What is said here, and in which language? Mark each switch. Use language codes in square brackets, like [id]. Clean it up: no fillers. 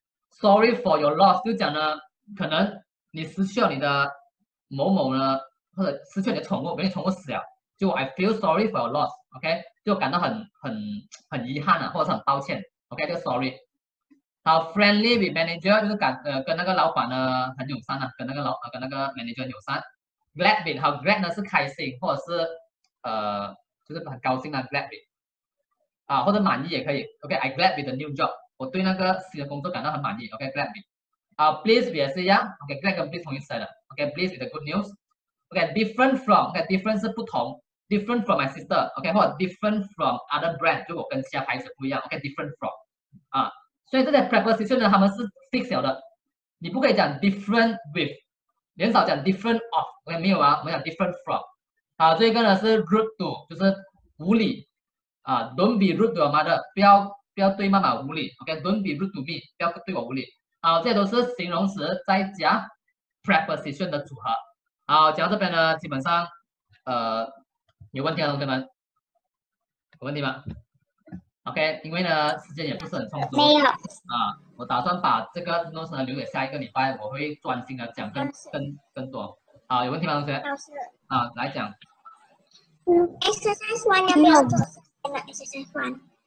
[en] Sorry for your loss [zh] 就讲呢，可能你失去了你的某某呢，或者失去了你的宠物，比如你宠物死了，就 [en] I feel sorry for your loss， [zh] OK， 就感到很遗憾啊，或者是很抱歉。OK， 就 sorry。他 friendly with manager 就是感跟那个老板呢很友善啊，跟那个老跟那个 manager 友善。 Glad with 和 glad 呢是开心或者是就是很高兴的 glad with 啊，或者满意也可以。 OK， [en] I glad with the new job， [zh] 我对那个新的工作感到很满意。 OK， glad with。 Please 也是一样 ，OK， glad 跟 please 同意思的。 [en] OK， please with the good news。 [zh] OK， different from， OK， different 是不同 ， [en] different from my sister， [zh] OK， 或者 [en] different from other brand， [zh] 就我跟其他牌子不一样。 OK， different from， 啊，所以这些 preposition 呢，他们是 fix 了的，你不可以讲 different with， 你很少讲 different of， OK， 没有啊，我们讲 different from。好，这个呢是 rude to， 就是无理啊 ， [en] don't be rude to your mother， [zh] 不要对妈妈无理 ，OK， [en] don't be rude to me， [zh] 不要对我无理。好，这些都是形容词再加 preposition 的组合。好，讲到这边呢，基本上有问题啊，同学们有问题吗？ OK， 因为呢时间也不是很充足，没有啊，我打算把这个东西呢留给下一个礼拜，我会专心的讲更多。好，有问题吗同学？老师啊，来讲。 exercise one 有没有做 exercise one？